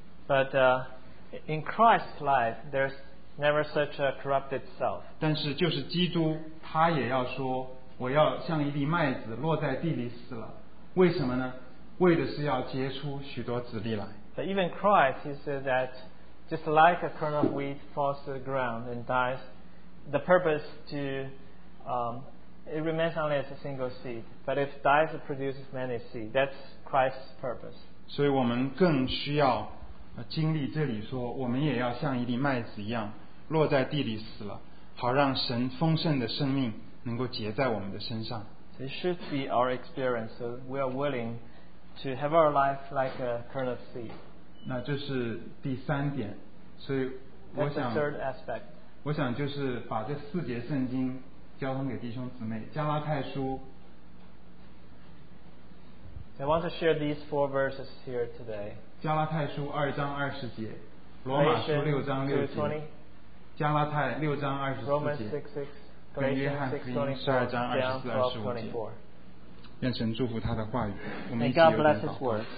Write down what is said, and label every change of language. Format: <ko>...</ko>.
<en>But in Christ's life, there's never such a corrupted self.</en> <zh>但是就是基督，他也要说，我要像一粒麦子落在地里死了。为什么呢？为的是要结出许多子粒来。</zh> <en>But even Christ, he said that just like a kernel of wheat falls to the ground and dies, the purpose to it remains only as a single seed. But if it dies, it produces many seeds. That's Christ's purpose.</en> <zh>所以我们更需要经历这里说，我们也要像一粒麦子一样落在地里死了，好让神丰盛的生命能够结在我们的身上。</zh> <en>So it should be our experience. So we are willing to have our life like a kernel of seed.</en> <zh>那这是第三点。所以我想</zh> <en>That's the third aspect.</en> <zh>我想就是把这四节圣经交通给弟兄姊妹。加拉太书</zh> <en>I want to share these four verses here today.</en> <zh>加拉太书二章二十节，罗马书六章六节，加拉太六章二十四节，跟约翰福音十二章二十四、二十五节。愿神祝福他的话语，我们一起有点祷告。</zh>